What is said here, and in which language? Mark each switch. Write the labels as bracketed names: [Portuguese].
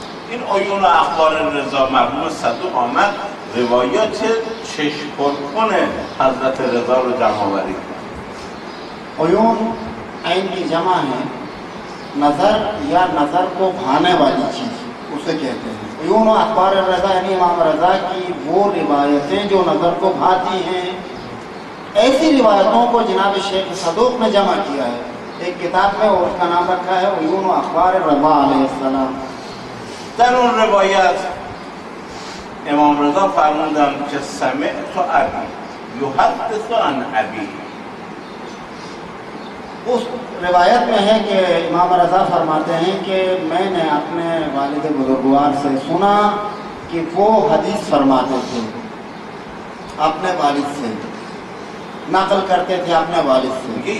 [Persian] این عیون و اخبار رضا مرحوم صدوق آمد روایات چشم پرکن حضرت رضا رو جمع آوری کرد. [Urdu] عیون عین کی جمع ہے نظر یا نظر کو بھانے والی چیز اسے کہتے ہیں. عیون و اخبار رضا یعنی امام رضا کی وہ روایتیں جو نظر کو بھاتی ہیں. ایسی روایتوں کو جناب شیخ صدوق نے جمع کیا ہے ایک کتاب میں، اس کا نام رکھا ہے عیون و اخبار رضا علیہ السلام. [Persian] در اون روایت امام رضا فرمودند که [Arabic] سمعت ابی یحدث عن ابی. [Urdu] اس روایت میں ہے کہ امام رضا فرماتے ہیں کہ میں نے اپنے والد بزرگوار سے سنا کہ وہ حدیث فرماتے تھے اپنے والد سے، نقل کرتے تھے اپنے والد سے.